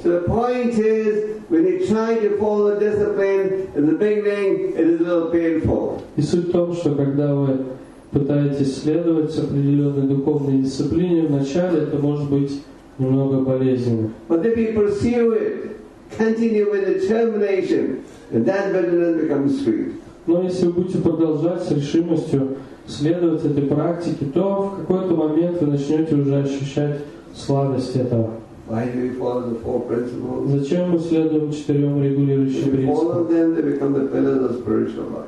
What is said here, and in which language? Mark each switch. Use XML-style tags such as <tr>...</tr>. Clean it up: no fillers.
<en>So the point is, when you try to follow discipline in the beginning, it is a little painful.</en> <ru>И суть в том, что когда вы пытаетесь следовать определенной духовной дисциплине в начале, это может быть немного болезненно.</ru> <en>But if you pursue it, continue with determination, that bitterness becomes sweet.</en> <ru>Но если вы будете продолжать с решимостью следовать этой практике, то в какой-то момент вы начнете уже ощущать сладость этого.</ru> <en>Why do we follow the four principles?</en> <ru>Зачем мы следуем четырем регулирующим принципам?</ru>